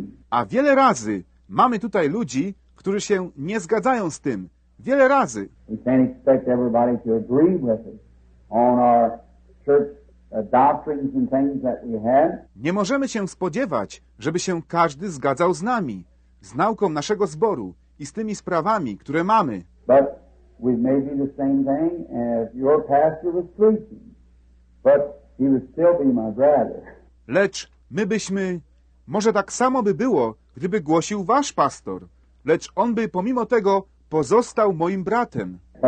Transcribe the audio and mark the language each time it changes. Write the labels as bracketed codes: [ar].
[pl] A wiele razy mamy tutaj ludzi, którzy się nie zgadzają z tym. Wiele razy. [en] We can't expect everybody to agree with us on our church doctrines and things that we have. [pl] Nie możemy się spodziewać, żeby się każdy zgadzał z nami, z nauką naszego zboru i z tymi sprawami, które mamy. [en] But we may be the same thing if your pastor was preaching. But he would still be my brother. [pl] Lecz my byśmy, może tak samo by było, gdyby głosił wasz pastor, lecz on by pomimo tego pozostał moim bratem.